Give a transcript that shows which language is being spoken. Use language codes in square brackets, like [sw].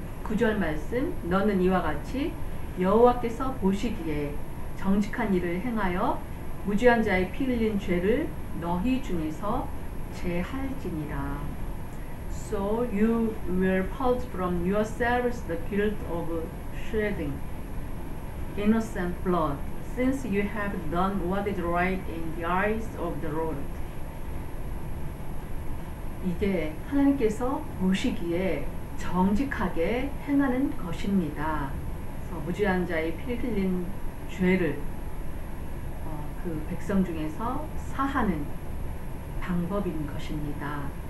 [ko] 9절 말씀, 너는 이와 같이 여호와께서 보시기에 정직한 일을 행하여 무죄한 자의 피 흘린 죄를 너희 중에서 제할지니라. [en] So you will purge from yourselves the guilt of shedding innocent blood, since you have done what is right in the eyes of the Lord. [ko] 이게 하나님께서 보시기에 정직하게 행하는 것입니다. 무죄한 자의 피 흘린 죄를 그 백성 중에서 사하는 방법인 것입니다.